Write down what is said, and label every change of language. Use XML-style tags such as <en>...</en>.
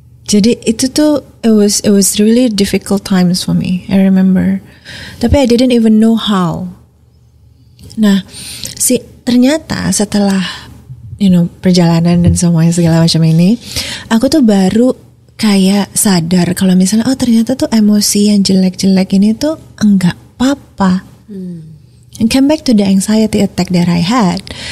<id>Jadi itu tuh</id> <en>it was really difficult times for me. I remember.</en> <id>Tapi</id> <en>I didn't even know how.</en> <id>Nah, si ternyata setelah you know perjalanan dan semuanya segala macam ini, aku tuh baru kayak sadar kalau misalnya oh ternyata tuh emosi yang jelek-jelek ini tuh enggak apa-apa.</id> <en>And came back to the anxiety attack that I had.</en>